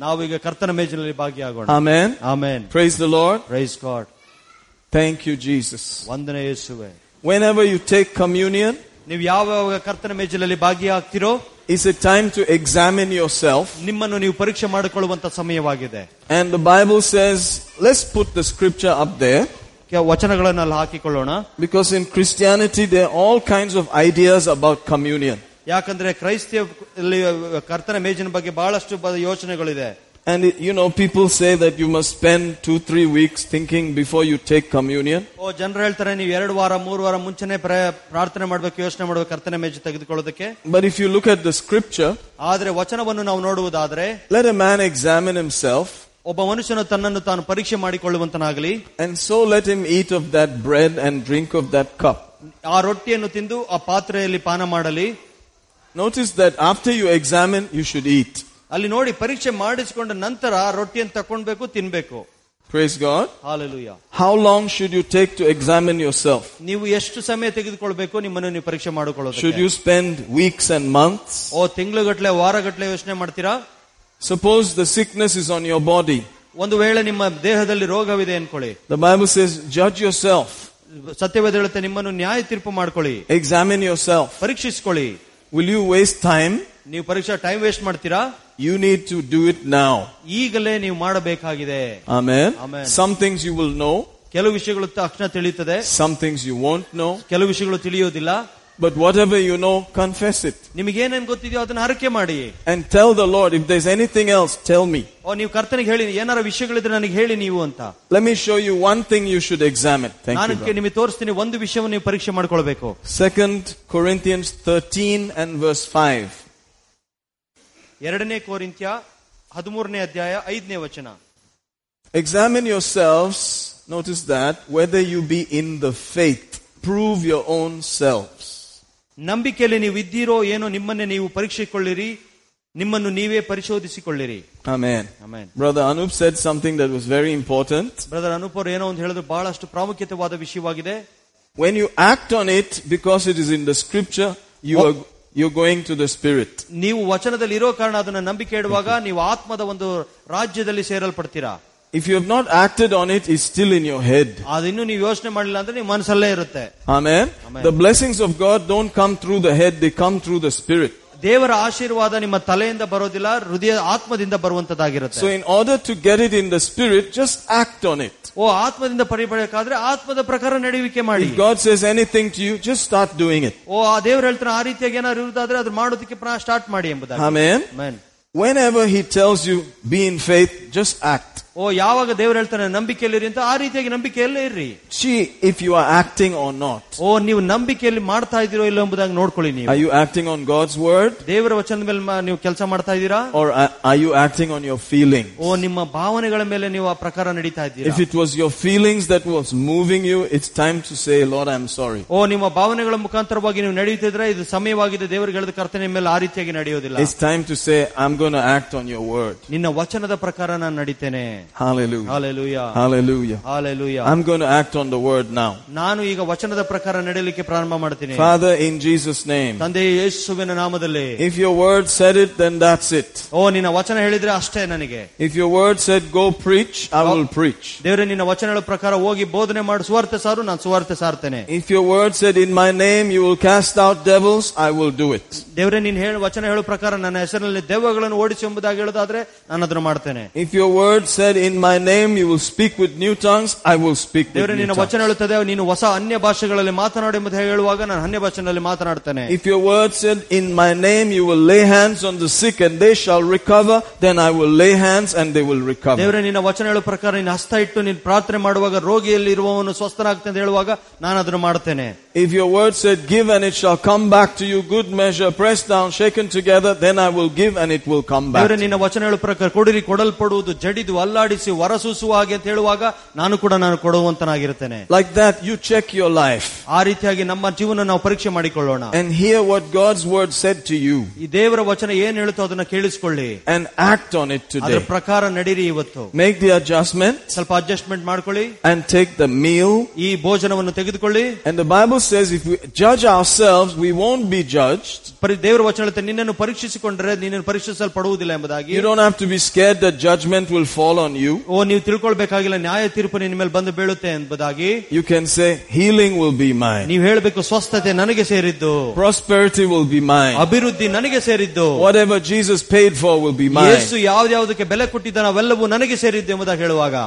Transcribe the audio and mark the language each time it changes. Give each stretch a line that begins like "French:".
Kannada: ನಾವೀಗ ಕರ್ತನ ಮೇಜಿನಲ್ಲಿ ಭಾಗಿಯಾಗೋಣ.
English: Amen. Amen. Praise the Lord. Praise God. Thank you, Jesus.
Kannada: ವಂದನೆ ಯೇಸುವೇ.
English: Whenever you take communion,
Kannada: ನೀವು ಯಾವಾಗ ಕರ್ತನ ಮೇಜಿನಲ್ಲಿ ಭಾಗಿಯಾಗ್ತಿರೋ,
English: it's a time to examine yourself.
Kannada: ನಿಮ್ಮನ್ನು ನೀವು ಪರೀಕ್ಷೆ ಮಾಡಿಕೊಳ್ಳುವಂತ ಸಮಯವಾಗಿದೆ.
English: And the Bible says, let's put the scripture up there.
Kannada: ವಚನಗಳನ್ನು ಅಲ್ಲಿ ಹಾಕಿಕೊಳ್ಳೋಣ.
English: Because in Christianity they all kinds of ideas about communion.
Kannada: ಯಾಕಂದ್ರೆ ಕ್ರೈಸ್ತಿಯಲ್ಲಿ ಕರ್ತನ ಮೇಜಿನ ಬಗ್ಗೆ ಬಹಳಷ್ಟು ಯೋಚನೆಗಳಿದೆ.
English: And you know, people say that you must spend 2-3 weeks thinking before you take communion.
Kannada: ಓ, ಜನರು ಹೇಳ್ತಾರೆ ನೀವು 2-3 ವಾರ ಮುಂಚೆನೆ ಪ್ರಾರ್ಥನೆ ಮಾಡಬೇಕು, ಯೋಚನೆ ಮಾಡಬೇಕು ಕರ್ತನ ಮೇಜು ತೆಗೆದುಕೊಳ್ಳೋದಕ್ಕೆ.
English: But if you look at the scripture,
Kannada: ಆದ್ರೆ ವಚನವನ್ನು ನಾವು ನೋಡುವುದಾದ್ರೆ,
English: let a man examine himself.
Kannada: ಒಬ್ಬ ಮನುಷ್ಯನು ತನ್ನನ್ನು ತಾನು ಪರೀಕ್ಷೆ ಮಾಡಿಕೊಳ್ಳುವಂತನಾಗಲಿ.
English: And so let him eat of that bread and drink of that cup.
Kannada: ಆ ರೊಟ್ಟಿಯನ್ನು ತಿಂದು ಆ ಪಾತ್ರೆಯಲ್ಲಿ ಪಾನ ಮಾಡಲಿ.
English: Notice that after you examine you should eat.
Kannada: ಅಲ್ಲಿ ನೋಡಿ, ಪರೀಕ್ಷೆ ಮಾಡಿಸಿಕೊಂಡ ನಂತರ ರೊಟ್ಟಿಯನ್ನು ತಕೊಂಡ್ಬೇಕು, ತಿನ್ಬೇಕು.
English: Praise God. Hallelujah. How long should you take to examine yourself?
Kannada: ನೀವು ಎಷ್ಟು ಸಮಯ ತೆಗೆದುಕೊಳ್ಬೇಕು ನಿಮ್ಮನ್ನು ನೀವು ಪರೀಕ್ಷೆ ಮಾಡಿಕೊಳ್ಳೋದು?
English: Should you spend weeks and months?
Kannada: ಓ, ತಿಂಗಳುಗಟ್ಟಲೆ ವಾರಗಟ್ಟಲೆ ಯೋಚನೆ ಮಾಡ್ತೀರಾ?
English: Suppose the sickness is on your body.
Kannada: ಒಂದು ವೇಳೆ ನಿಮ್ಮ ದೇಹದಲ್ಲಿ ರೋಗವಿದೆ ಅನ್ಕೊಳ್ಳಿ.
English: The Bible says, judge yourself.
Kannada: ಸತ್ಯವೇದ ಹೇಳುತ್ತೆ ನಿಮ್ಮನ್ನು ನ್ಯಾಯ ತೀರ್ಪು ಮಾಡ್ಕೊಳ್ಳಿ.
English: Examine yourself.
Kannada: ಪರೀಕ್ಷಿಸಿಕೊಳ್ಳಿ.
English: Will you waste time?
Kannada: ನೀವು ಪರೀಕ್ಷಾ ಟೈಮ್ ವೇಸ್ಟ್ ಮಾಡ್ತೀರಾ?
English: You need to do it now.
Kannada: ಈಗಲೇ ನೀವು ಮಾಡಬೇಕಾಗಿದೆ.
English: Amen. Amen. Some things you will know.
Kannada: ಕೆಲವು ವಿಷಯಗಳು ತಕ್ಷಣ ತಿಳಿಯುತ್ತದೆ.
English: Some things you won't know.
Kannada: ಕೆಲವು ವಿಷಯಗಳು ತಿಳಿಯೋದಿಲ್ಲ.
English: But whatever you know, confess it.
Kannada: ನಿಮಗೆ ಏನೇನು ಗೊತ್ತಿದೆಯೋ ಅದನ್ನ ಹರಕೆ ಮಾಡಿ.
English: And tell the Lord, if there's anything else, tell me.
Kannada: ಓ, ನೀವು ಕರ್ತನಿಗೆ ಹೇಳಿ, ಏನಾರ ವಿಷಯಗಳಿದ್ರೆ ನನಗೆ ಹೇಳಿ ನೀವು ಅಂತ.
English: Let me show you one thing you should examine. Thank you.
Kannada: ನಾನು ನಿಮಗೆ ತೋರಿಸ್ತೀನಿ, ಒಂದು ವಿಷಯವನ್ನು ನೀವು ಪರೀಕ್ಷೆ ಮಾಡಿಕೊಳ್ಬೇಕು.
English: 2 Corinthians 13:5.
Kannada: ಎರಡನೇ ಕೊರಿಂಥ್ಯ 13:5.
English: Examine yourselves, notice that, whether you be in the faith. Prove your own selves.
Kannada: ನಂಬಿಕೆಯಲ್ಲಿ ನೀವು ಇದ್ದೀರೋ ಏನೋ ನಿಮ್ಮನ್ನೇ ನೀವು ಪರೀಕ್ಷಿಸಿಕೊಳ್ಳಿರಿ, ನಿಮ್ಮನ್ನು ನೀವೇ ಪರಿಶೋಧಿಸಿಕೊಳ್ಳಿರಿ.
English: Amen. Amen. Brother Anup said something that was very important.
Kannada: Brother Anoop ಅವರು ಏನೋ ಒಂದು ಹೇಳಿದ್ರು ಬಹಳಷ್ಟು ಪ್ರಾಮುಖ್ಯತೆವಾದ ವಿಷಯವಾಗಿದೆ.
English: When you act on it because it is in the scripture, you are going to the spirit.
Kannada: ನೀವು ವಚನದಲ್ಲಿ ಇರೋ ಕಾರಣ ಅದನ್ನು ನಂಬಿಕೆ ಇಡುವಾಗ ನೀವು ಆತ್ಮದ ಒಂದು ರಾಜ್ಯದಲ್ಲಿ ಸೇರಲ್ಪಡ್ತೀರಾ.
English: If you have not acted on it, it's still in your head.
Kannada: ಅದಿನ್ನು ನೀವು ಯೋಚನೆ ಮಾಡಲಿಲ್ಲ ಅಂದ್ರೆ ನಿಮ್ಮ ಮನಸ್ಸಲ್ಲೇ ಇರುತ್ತೆ.
English: Amen. The blessings of God don't come through the head, they come through the spirit.
Kannada: ದೇವರ ಆಶೀರ್ವಾದ ನಿಮ್ಮ ತಲೆಯಿಂದ ಬರೋದಿಲ್ಲ ಹೃದಯ ಆತ್ಮದಿಂದ ಬರುವಂತದ್ದಾಗಿರುತ್ತೆ
English: so in order to get it in the spirit just act on it
Kannada: ಓ ಆತ್ಮದಿಂದ ಪರಿಪಡಬೇಕಾದ್ರೆ ಆತ್ಮದ ಪ್ರಕಾರ ನಡೆಯುವಿಕೆ ಮಾಡಿ
English: God says anything to you just start doing it
Kannada: ಓ ಆ ದೇವರು ಹೇಳ್ತಾರೆ ಆ ರೀತಿಯಾಗಿ ಏನಾದ್ರು ಇರುವುದಾದ್ರೆ ಅದು ಮಾಡೋದಕ್ಕೆ ಪುನಃ ಸ್ಟಾರ್ಟ್ ಮಾಡಿ ಎಂಬುದಾಗಿ amen amen
English: Whenever he tells you, be in faith, just act.
Kannada: ಓ ಯಾವಾಗ ದೇವರು ಹೇಳ್ತಾನೆ ನಂಬಿಕೆಯಲ್ಲಿರಿ ಅಂತ ಆ ರೀತಿಯಾಗಿ ನಂಬಿಕೆಯಲ್ಲೇ ಇರ್ರಿ
English: See if you are acting or not.
Kannada: ಓ ನೀವು ನಂಬಿಕೆಯಲ್ಲಿ ಮಾಡ್ತಾ ಇದೀರೋ ಇಲ್ಲ ಎಂಬುದಾಗಿ ನೋಡ್ಕೊಳ್ಳಿ ನೀವು
English: Are you acting on God's word?
Kannada: ದೇವರ ವಚನದ ಮೇಲೆ ನೀವು ಕೆಲಸ ಮಾಡ್ತಾ ಇದೀರಾ
English: Or are you acting on your feelings?
Kannada: ಓ ನಿಮ್ಮ ಭಾವನೆಗಳ ಮೇಲೆ ನೀವು ಆ ಪ್ರಕಾರ ನಡೀತಾ ಇದ್ದೀರಾ
English: If it was your feelings that was moving you, it's time to say, Lord, I'm sorry.
Kannada: ಓ ನಿಮ್ಮ ಭಾವನೆಗಳ ಮುಖಾಂತರವಾಗಿ ನೀವು ನಡೆಯುತ್ತಿದ್ರೆ ಇದು ಸಮಯವಾಗಿದೆ ದೇವರು ಹೇಳಿದ ಕರ್ತನೆಯ ಮೇಲೆ ಆ ರೀತಿಯಾಗಿ ನಡೆಯೋದಿಲ್ಲ
English: It's time to say, I'm going to act on your word.
Kannada: ನಿನ್ನ ವಚನದ ಪ್ರಕಾರ ನಾನು ನಡೀತೇನೆ
English: Hallelujah. I'm going to act on the word now.
Kannada: ನಾನು ಈಗ ವಚನದ ಪ್ರಕಾರ ನಡೆಯಲಿಕ್ಕೆ ಪ್ರಾರಂಭ ಮಾಡ್ತೀನಿ
English: Father, in Jesus' name.
Kannada: ತಂದೆ ಯೇಸುವಿನ ನಾಮದಲ್ಲಿ
English: If your word said it, then that's it.
Kannada: ಓ ನಿನ್ನ ವಚನ ಹೇಳಿದ್ರೆ ಅಷ್ಟೇ ನನಗೆ
English: If your word said go preach, I will preach.
Kannada: ದೇವರ ನಿನ್ನ ವಚನಗಳ ಪ್ರಕಾರ ಹೋಗಿ ಬೋಧನೆ ಮಾಡು ಸುವಾರ್ತೆ ಸಾರು ನಾನು ಸುವಾರ್ತೆ ಸಾರ್ತೇನೆ
English: If your word said in my name you will cast out devils, I will do it.
Kannada: ದೇವರ ನಿನ್ನ ವಚನ ಹೇಳೋ ಪ್ರಕಾರ ನನ್ನ ಹೆಸರಿನಲ್ಲಿ ದೆವ್ವಗಳನ್ನು ಓಡಿಸಿ ಎಂಬುದಾಗಿ ಹೇಳೋದಾದ್ರೆ ನಾನು ಅದನ್ನು ಮಾಡ್ತೇನೆ
English: If your word said in my name you will speak with new tongues, I will speak with new tongues.
Kannada: ನಿನ್ನ ವಚನ ಹೇಳುತ್ತದೆ ನೀನು ಹೊಸ ಅನ್ಯ ಭಾಷೆಗಳಲ್ಲಿ ಮಾತನಾಡು ಎಂಬುದು ಹೇಳುವಾಗ ನಾನು ಅನ್ಯ ಭಾಷೆಗಳಲ್ಲಿ ಮಾತನಾಡುತ್ತೇನೆ
English: If your word said in my name you will lay hands on the sick and they shall recover, then I will lay hands and they will recover.
Kannada: ದೇವರ ನಿನ್ನ ವಚನ ಹೇಳೋ ಪ್ರಕಾರ ನೀನು ಹಸ್ತ ಇಟ್ಟು ನೀನು ಪ್ರಾರ್ಥನೆ ಮಾಡುವಾಗ ರೋಗಿಯಲ್ಲಿ ಇರುವವನು ಸ್ವಸ್ಥನಾಗುತ್ತೆ ಅಂತ ಹೇಳುವಾಗ ನಾನು ಅದನ್ನು ಮಾಡುತ್ತೇನೆ
English: If your word said give and it shall come back to you, good measure, pressed down, shaken together, then I will give and it will come back.
Kannada: ದೇವರ ನಿನ್ನ ವಚನ ಹೇಳೋ ಪ್ರಕಾರ ಕೊಡಿರಿ ಕೊಡಲ್ಪಡುವುದು ಜಡಿದು ಅಲ್ಲಾಡಿಸಿ ವರಸೂಸುವ ಹಾಗೆ ಅಂತ ಹೇಳುವಾಗ ನಾನು ಕೂಡ ನಾನು ಕೊಡುವಂತನಾಗಿರುತ್ತೇನೆ
English: Like that you check your life.
Kannada: ಆ ರೀತಿಯಾಗಿ ನಮ್ಮ ಜೀವನ ನಾವು ಪರೀಕ್ಷೆ ಮಾಡಿಕೊಳ್ಳೋಣ
English: And hear what God's word said to you.
Kannada: ಈ ದೇವರ ವಚನ ಏನು ಹೇಳುತ್ತೋ ಅದನ್ನು ಕೇಳಿಸಿಕೊಳ್ಳಿ
English: And act on it today.
Kannada: ಅದರ ಪ್ರಕಾರ ನಡೀರಿ ಇವತ್ತು
English: Make the adjustment.
Kannada: ಸ್ವಲ್ಪ ಅಡ್ಜಸ್ಟ್ಮೆಂಟ್ ಮಾಡ್ಕೊಳ್ಳಿ
English: And take the meal.
Kannada: ಈ ಭೋಜನವನ್ನು ತೆಗೆದುಕೊಳ್ಳಿ
English: And the Bible says if we judge ourselves we won't be judged.
Kannada: ದೇವರ ವಚನ ಹೇಳುತ್ತೆ ನಿನ್ನನ್ನು ಪರೀಕ್ಷಿಸಿಕೊಂಡರೆ ನಿನ್ನನ್ನು ಪರೀಕ್ಷಿಸಲ್ಪಡುವುದಿಲ್ಲ ಎಂಬುದಾಗಿ
English: You don't have to be scared that judgment will fall on you.
Kannada: ಓ ನೀವು ತಿಳ್ಕೊಳ್ಬೇಕಾಗಿಲ್ಲ ನ್ಯಾಯ ತೀರ್ಪು ನಿನ್ನ ಮೇಲೆ ಬಂದು ಬೀಳುತ್ತೆ ಎಂಬುದಾಗಿ
English: You can say healing will be mine.
Kannada: ನೀವು ಹೇಳಬೇಕು ಸ್ವಸ್ಥತೆ ನನಗೆ ಸೇರಿದ್ದು
English: Prosperity will be mine.
Kannada: ಅಭಿವೃದ್ಧಿ ನನಗೆ ಸೇರಿದ್ದು
English: Whatever Jesus paid for will be mine.
Kannada: ಯೇಸು ಯಾವುದಕ್ಕೆ ಬೆಲೆ ಕೊಟ್ಟಿದ್ದಾನೆ ಅವೆಲ್ಲವೂ ನನಗೆ ಸೇರಿದ್ದು ಎಂಬುದಾಗಿ ಹೇಳುವಾಗ